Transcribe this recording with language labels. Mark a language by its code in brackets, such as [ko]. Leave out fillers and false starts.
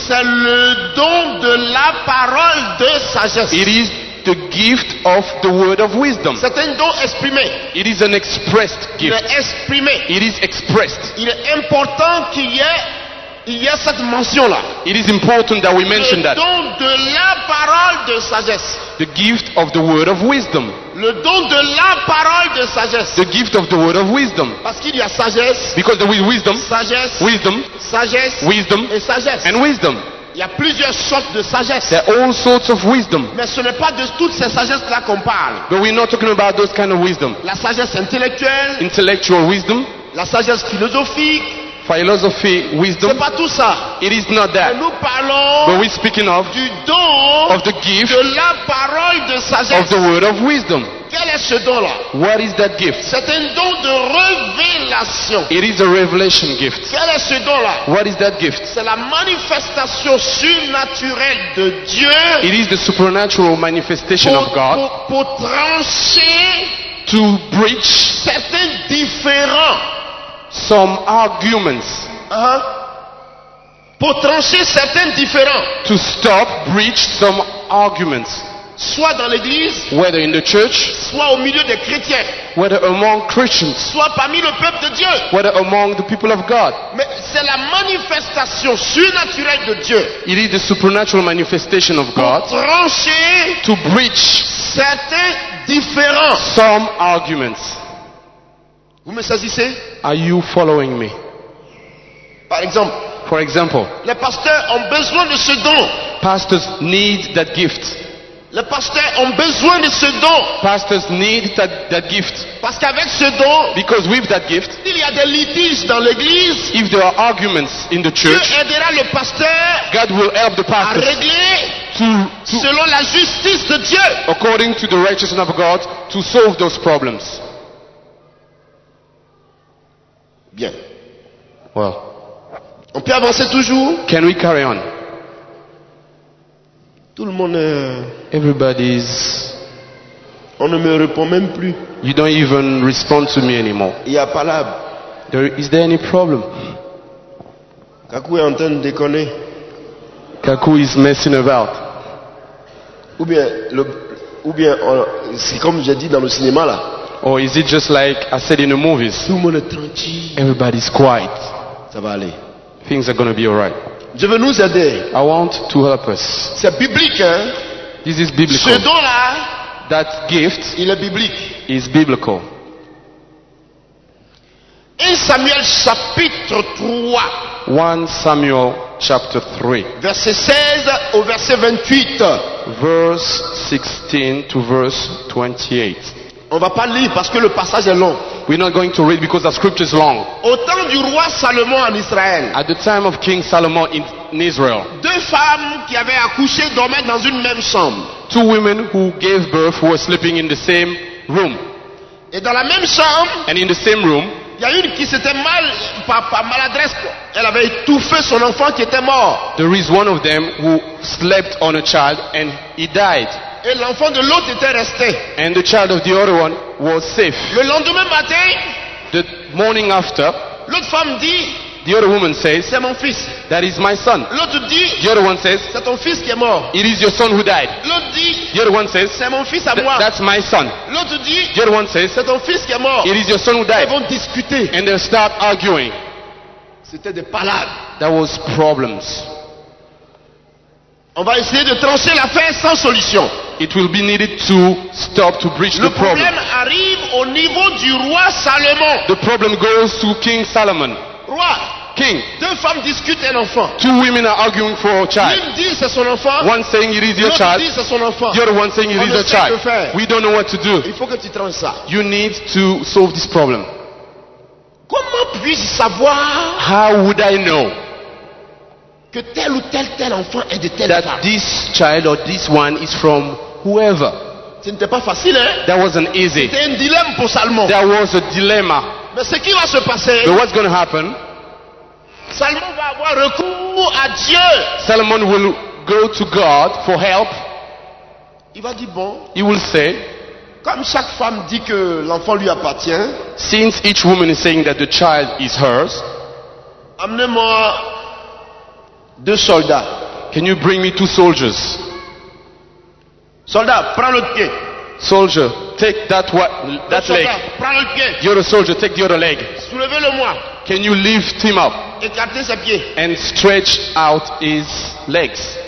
[fr] C'est le don de la parole de sagesse. [en] It is the gift of the word of wisdom. [fr] C'est un don exprimé. [en] It is an expressed gift. [fr] Il est exprimé. [en] It is expressed. [fr] Il est important qu'il y ait cette mention là. [en] It is important that we mention that. [fr] Le don de la parole de sagesse. [en] The gift of the word of wisdom. [fr] Le don de la parole de sagesse. [en] The gift of the word of wisdom. [fr] Parce qu'il y a sagesse. [en] Because there is wisdom. [fr] Sagesse. [en] Wisdom. [fr] Sagesse. [en] Wisdom. [fr] Et sagesse. [en] And wisdom. [fr] Il y a plusieurs sortes de sagesse. [en] There are all sorts of wisdom. [fr] Mais ce n'est pas de toutes ces sagesses là qu'on parle. [en] But we're not talking about those kind of wisdom. [fr] La sagesse intellectuelle. [en] Intellectual wisdom. [fr] La sagesse philosophique. [en] philosophy, wisdom. [fr] C'est pas tout ça. [en] It is not that. [fr] Nous parlons, [en] but we're speaking of, [fr] du don, [en] of the gift, [fr] de la parole de sagesse, [en] of the word of wisdom. [fr] Quel est ce don-là? [en] What is that gift? [fr] C'est un don de révélation. [en] It is a revelation gift. [fr] Quel est ce don-là? [en] What is that gift? [fr] C'est la manifestation surnaturelle de Dieu. [en] It is the supernatural manifestation [fr] pour, [en] of God. [fr] Pour trancher, [en] to bridge [fr] certains différends, [en] some arguments. [fr] Pour trancher certains différends, [en] to stop, bridge some arguments. [fr] Soit dans l'église, [en] whether in the church, [fr] soit au milieu des chrétiens, [en] whether among Christians, [fr] soit parmi le peuple de Dieu, [en] whether among the people of God. [fr] Mais c'est la manifestation surnaturelle de Dieu. [en] It is the supernatural manifestation of God. [fr] Pour trancher, [en] to bridge [fr] certains différends, [en] some arguments. [fr] Vous me saisissez? [en] Are you following me? [fr] Par exemple, [en] for example, [fr] les pasteurs ont besoin de ce don. [en] Pastors need that gift. [fr] Les pasteurs ont besoin de ce don. [en] Pastors need that, that gift. [fr] Parce qu'avec ce don, [en] because with that gift, [fr] il y a des litiges dans l'église, [en] if there are arguments in the church, [fr] Dieu aidera le pasteur, [en] God will help the pastors, [fr] à régler [en] to, [fr] selon la justice de Dieu, [en] according to the righteousness of God, to solve those problems. [fr] Bien. [en] Well, [fr] on peut avancer toujours? [en] Can we carry on? [fr] Tout le monde, [en] everybody's, [fr] on ne me répond même plus. [en] You don't even respond to me anymore. [fr] Il y a pas là. [en] There, is there any problem? [fr] Kaku est en train de déconner. [en] Kaku is messing about. [fr] Ou bien le, ou bien c'est comme j'ai dit dans le cinéma là. [en] Or is it just like I said in the movies? [fr] Tout le monde est tranquille. [en] Everybody's quiet. [fr] Ça va aller. [en] Things are gonna be alright. [fr] Je veux nous aider. [en] I want to help us. [fr] C'est biblique, hein? [en] This is biblical. [fr] Ce don-là, [en] that gift, [fr] il est biblique. [en] Is biblical. [fr] 1 Samuel chapitre 3. [en] 1 Samuel chapter 3. [fr] Verset 16 au verset 28. [en] Verse 16 to verse 28. [fr] On va pas lire parce que le passage est long. [en] We're not going to read because the scripture is long. [fr] Au temps du roi Salomon en Israël, [en] at the time of King Solomon in Israel, [fr] deux femmes qui avaient accouché dormaient dans une même chambre. [en] Two women who gave birth were sleeping in the same room. [fr] Et dans la même chambre, [en] and in the same room, [fr] il y a une qui s'était mal, par maladresse, elle avait étouffé son enfant qui était mort. [en] There is one of them who slept on a child and he died. [fr] Et l'enfant de l'autre était resté. [en] And the child of the other one was safe. [fr] Le lendemain matin, [en] the morning after, [fr] l'autre femme dit, [en] the other woman says, [fr] c'est mon fils. [en] That is my son. [fr] L'autre dit, [en] the other one says, [fr] c'est ton fils qui est mort. [en] It is your son who died. [fr] L'autre dit, [en] the other one says, [fr] c'est mon fils à moi. [en] That's my son. [fr] L'autre dit, [en] the other one says, [fr] c'est ton fils qui est mort. [en] It is your son who died. [fr] Ils vont discuter. [en] And they start arguing. [fr] C'était des palabres. [en] That was problems. [fr] On va essayer de trancher l'affaire sans solution. [en] It will be needed to stop to bridge [fr] le [en] the problem. [fr] Le problème arrive au niveau du roi Salomon. [en] The problem goes to King Solomon. [fr] Roi. [en] King. [fr] Deux femmes discutent un enfant. [en] Two women are arguing for a child. [fr] L'une dit c'est son enfant. [en] One saying it is your child. [fr] L'autre dit c'est son enfant. [en] The other one saying it is your child. [fr] On ne sait que faire. [en] We don't know what to do. [fr] Il faut que tu tranches ça. [en] You need to solve this problem. [fr] Comment puis-je savoir? [en] How would I know? [fr] Que tel ou tel tel enfant est de telle [en] that [fr] femme. [en] This child or this one is from whoever. [fr] Ce n'était pas facile, hein? [en] That wasn't easy. [fr] C'était un dilemme pour Salomon. [en] There was a dilemma. [fr] Mais ce qui va se passer? [en] But what's going to happen? [fr] Salomon va avoir recours à Dieu. [en] Solomon will go to God for help. [fr] Il va dire bon. [en] He will say, [fr] comme chaque femme dit que l'enfant lui appartient. [en] Since each woman is saying that the child is hers. [fr] Amenez-moi deux soldats. [en] Can you bring me two soldiers? [fr] Soldat, prends l'autre pied. [en] Soldier, take that what that [fr] soldat, [en] leg. [fr] Prends l'autre pied. [en] You're a soldier, take the other leg. [fr] Soulevez-le-moi. [en] Can you lift him up? [fr] Écartez ses pieds. [en] And stretch out his legs.